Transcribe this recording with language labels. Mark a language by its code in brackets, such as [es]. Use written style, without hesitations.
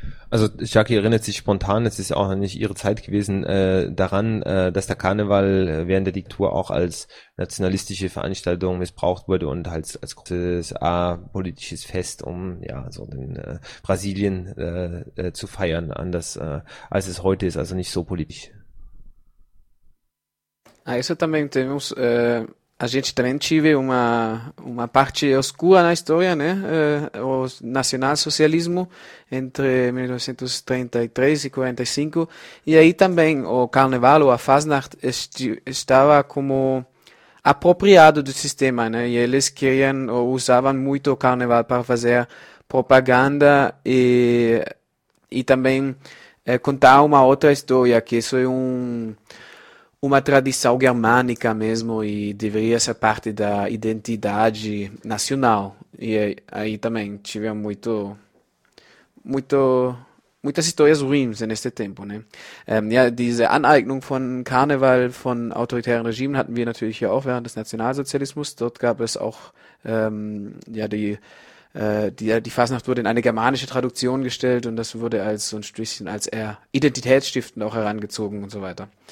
[de] Also Jackie erinnert sich spontan, es ist auch nicht ihre Zeit gewesen, daran, dass der Karneval während der Diktatur auch als nationalistische Veranstaltung missbraucht wurde und als großes apolitisches Fest, um ja so den Brasilien zu feiern, anders als es heute ist, also nicht so politisch. [pt] Also também temos, a gente também tive uma parte oscura na história, né? O nacionalsocialismo entre 1933 e 45, e aí também o carnaval, a Fasnacht, estava como apropriado do sistema, né? E eles queriam ou usavam muito o carnaval para fazer propaganda e também contar uma outra história, que isso é uma tradição germânica mesmo e deveria ser parte da identidade nacional. E aí também tivemos muito, muito, muitas histórias ruins nesse tempo, né? [de] Diese Aneignung von Karneval von autoritären Regimen hatten wir natürlich hier auch während des Nationalsozialismus. Dort gab es auch die Fasnacht wurde in eine germanische Traduktion gestellt und das wurde als so ein Strichchen als eher identitätsstiftend auch herangezogen und so weiter.